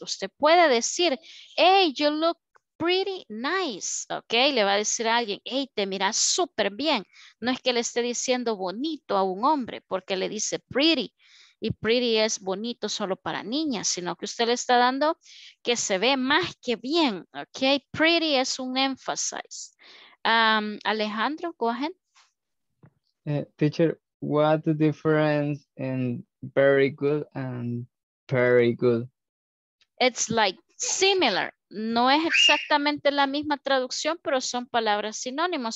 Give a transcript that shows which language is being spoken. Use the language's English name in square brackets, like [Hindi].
[Spanish] Usted puede decir, [English] hey, you look pretty nice, [Spanish] ok, le va a decir a alguien, hey, te miras súper bien. No es que le esté diciendo bonito a un hombre, porque le dice pretty, y pretty es bonito solo para niñas, sino que usted le está dando que se ve más que bien, ok, pretty es un énfasis. [English] Alejandro, go ahead. Teacher, what's the difference in very good and pretty good? It's like similar. [Spanish] No es exactamente la misma traducción, pero son palabras sinónimos.